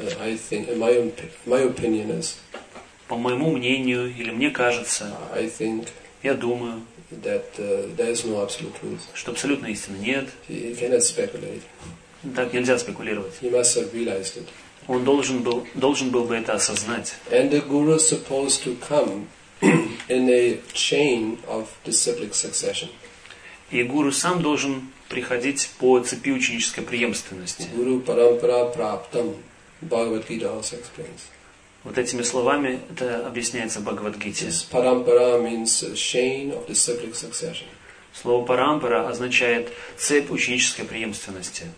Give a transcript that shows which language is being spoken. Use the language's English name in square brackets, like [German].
[English] I think, my opinion is, [Russian] по моему мнению, или мне кажется, [English] I think, [Russian] я думаю, [English] that, there is no absolute truth. [Russian] Что абсолютной истины нет. [English] He cannot speculate. [Russian] Так нельзя спекулировать. [English] He must have realized it. [Russian] Он должен был бы это осознать. [English] And the guru is supposed to come in a chain of disciplic succession. [Russian] И гуру сам должен приходить по цепи ученической преемственности. [Sanskrit] Guru parampara praptam, [English] Bhagavad Gita also explains. [Russian] Вот этими словами это объясняется в Бхагавад-гите. [English] Parampara means chain of disciplic succession. [Russian] Слово парампара означает цепь ученической преемственности.